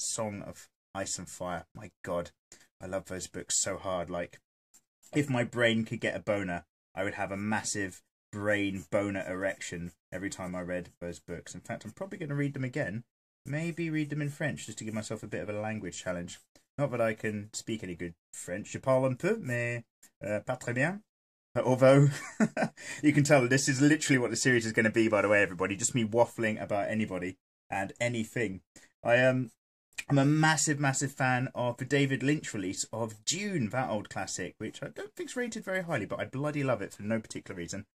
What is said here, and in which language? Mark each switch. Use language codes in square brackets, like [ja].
[en] Song of Ice and Fire. My God, I love those books so hard. Like, if my brain could get a boner, I would have a massive brain boner erection every time I read those books. In fact, I'm probably going to read them again. Maybe read them in French, just to give myself a bit of a language challenge. Not that I can speak any good French. [fr] Je parle un peu, mais pas très bien. [en] Although, you can tell this is literally what the series is going to be, by the way, everybody. Just me waffling about anybody and anything. I'm a massive, massive fan of the David Lynch release of Dune, that old classic, which I don't think is rated very highly, but I bloody love it for no particular reason.